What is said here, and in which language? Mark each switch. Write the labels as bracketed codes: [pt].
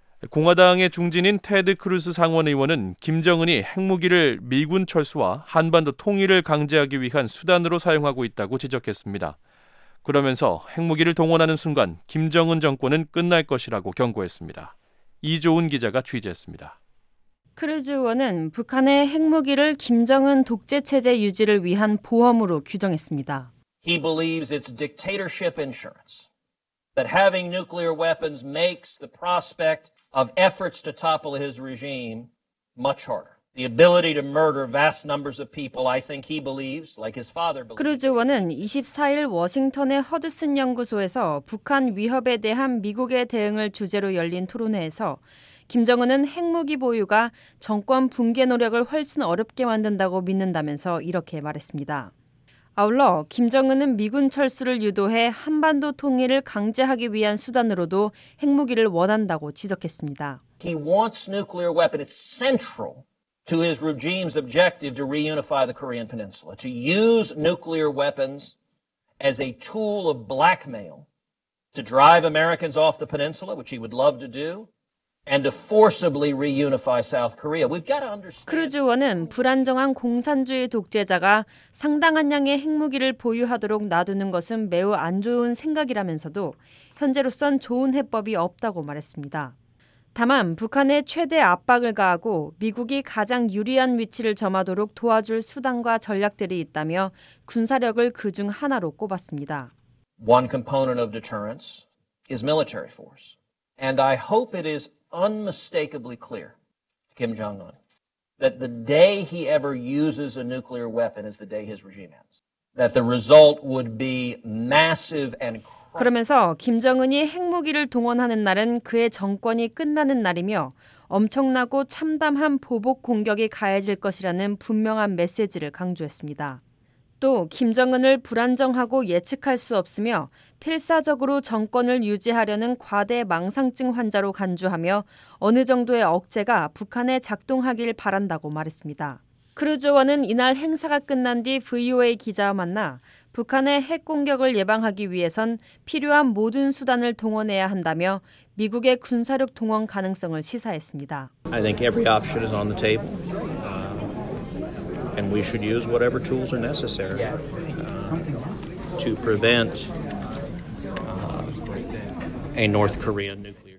[ko] 공화당의 중진인 테드 크루스 상원의원은 김정은이 핵무기를 미군 철수와 한반도 통일을 강제하기 위한 수단으로 사용하고 있다고 지적했습니다. 그러면서 핵무기를 동원하는 순간 김정은 정권은 끝날 것이라고 경고했습니다. 이조은 기자가 취재했습니다. 크루즈 의원은 북한의 핵무기를 김정은 독재체제 유지를 위한 보험으로 규정했습니다. [en] He believes it's dictatorship insurance, that having nuclear weapons makes the prospect of efforts to topple his regime much harder. The ability to murder vast numbers of people, I think he believes, like his father believed. [ko] 크루즈 의원은 24일 워싱턴의 허드슨 연구소에서 북한 위협에 대한 미국의 대응을 주제로 열린 토론회에서 김정은은 핵무기 보유가 정권 붕괴 노력을 훨씬 어렵게 만든다고 믿는다면서 이렇게 말했습니다. 아울러 김정은은 미군 철수를 유도해 한반도 통일을 강제하기 위한 수단으로도 핵무기를 원한다고 지적했습니다. [en] He wants nuclear weapon. It's central to his regime's objective to reunify the Korean Peninsula, to use nuclear weapons as a tool of blackmail to drive Americans off the peninsula, which he would love to do, and to forcibly reunify South Korea. We've got to understand. [ko] 크루즈 의원은 불안정한 공산주의 독재자가 상당한 양의 핵무기를 보유하도록 놔두는 것은 매우 안 좋은 생각이라면서도 현재로선 좋은 해법이 없다고 말했습니다. 다만 북한에 최대 압박을 가하고 미국이 가장 유리한 위치를 점하도록 도와줄 수단과 전략들이 있다며 군사력을 그중 하나로 꼽았습니다. [en] One component of deterrence is military force. And I hope it is unmistakably clear to Kim Jong-un that the day he ever uses a nuclear weapon is the day his regime ends. That the result would be massive and [ko] 그러면서 김정은이 핵무기를 동원하는 날은 그의 정권이 끝나는 날이며 엄청나고 참담한 보복 공격이 가해질 것이라는 분명한 메시지를 강조했습니다. 또 김정은을 불안정하고 예측할 수 없으며 필사적으로 정권을 유지하려는 과대 망상증 환자로 간주하며 어느 정도의 억제가 북한에 작동하길 바란다고 말했습니다. 크루즈 의원은 이날 행사가 끝난 뒤 VOA 기자와 만나 북한의 핵 공격을 예방하기 위해선 필요한 모든 수단을 동원해야 한다며 미국의 군사력 동원 가능성을 시사했습니다. [en] I think every option is on the table. And we should use whatever tools are necessary to prevent a North Korean nuclear.